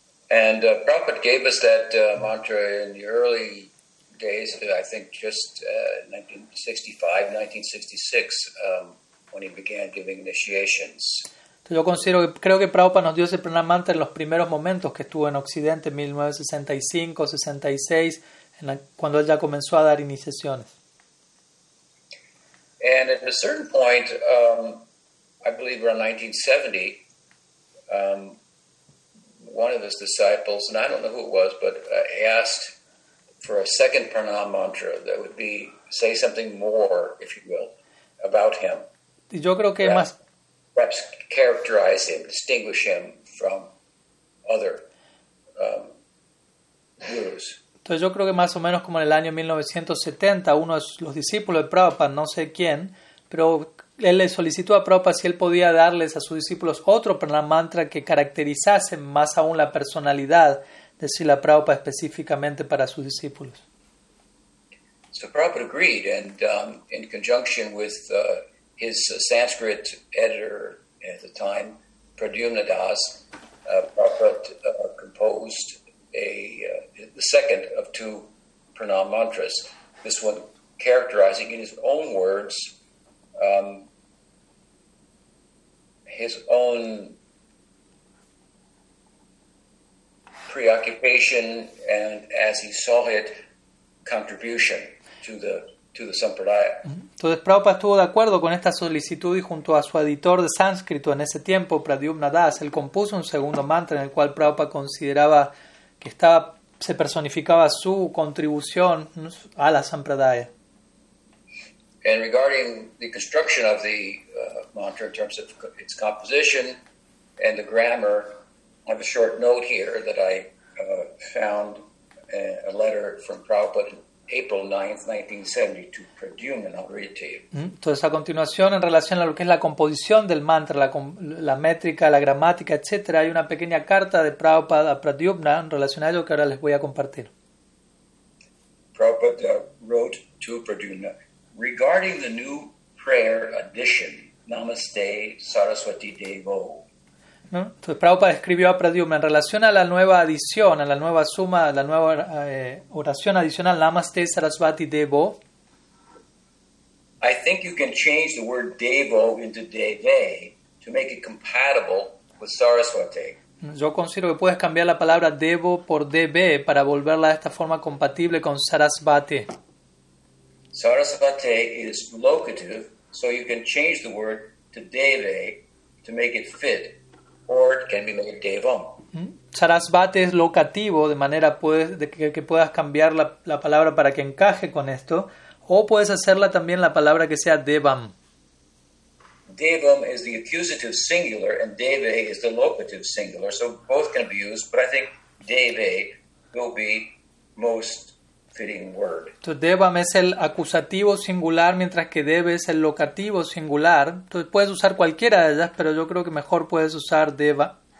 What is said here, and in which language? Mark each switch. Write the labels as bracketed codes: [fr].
[en] And Prabhupada gave us that mantra in the early days, I think just 1965, 1966, when he began giving initiations. [es] Yo creo que Prabhupada nos dio ese pranam mantra en los primeros momentos que estuvo en Occidente, 1965-66, cuando él ya comenzó a dar iniciaciones. [en] And at a certain point, I believe around 1970, one of his disciples, and I don't know who it was, but asked for a second pranam mantra that would be, say something more, if you will, about him. [es] Y yo creo que más [en] perhaps characterize him, distinguish him from other gurus. [es] Entonces yo creo que más o menos como en el año 1970 uno de los discípulos de Prabhupada, no sé quién, pero él le solicitó a Prabhupada si él podía darles a sus discípulos otro pranam mantra que caracterizase más aún la personalidad de Srila Prabhupada específicamente para sus discípulos. [en] So Prabhupada agreed, and in conjunction with his Sanskrit editor at the time, Pradyumna Das, Prabhupada composed the second of two pranam mantras. This one characterizing in his own words his own preoccupation and, as he saw it, contribution to the [es] Entonces Prabhupada estuvo de acuerdo con esta solicitud y junto a su editor de sánscrito en ese tiempo, Pradyumna Das, él compuso un segundo mantra en el cual Prabhupada consideraba que estaba, se personificaba su contribución a la Sampradaya. [en] And regarding the construction of the mantra in terms of its composition, And the grammar, I have a short note here that I found a letter from Prabhupada April 9th, 1972, Pradyuman. I'll read it to you. [es] Entonces, a continuación, en relación a lo que es la composición del mantra, la métrica, la gramática, etc., hay una pequeña carta de Prabhupada Pradyumna en relación a ello que ahora les voy a compartir. [en] Prabhupada wrote to Pradyumna, regarding the new prayer addition, Namaste Saraswati Devo. [es] Entonces Prabhupada escribió a Pradyumna en relación a la nueva adición, a la nueva suma, a la nueva oración adicional, Namaste Sarasvati Devo. [en] I think you can change the word Devo into Deve to make it compatible with Saraswati. [es] Yo considero que puedes cambiar la palabra Devo por Deve para volverla de esta forma compatible con Sarasvati. [en] Sarasvati is locative, so you can change the word to Deve to make it fit. Or it can be made Devam. [es] Sarasvati es locativo, de manera que puedas cambiar la palabra para que encaje con esto. O puedes hacerla también la palabra que sea Devam. [en] Devam is the accusative singular and Deve is the locative singular. So both can be used, but I think Deve will be most fitting word. [es] Entonces Devam es el acusativo singular, mientras que Deve es el locativo singular. Entonces puedes usar cualquiera de ellas, pero yo creo que mejor puedes usar Deva.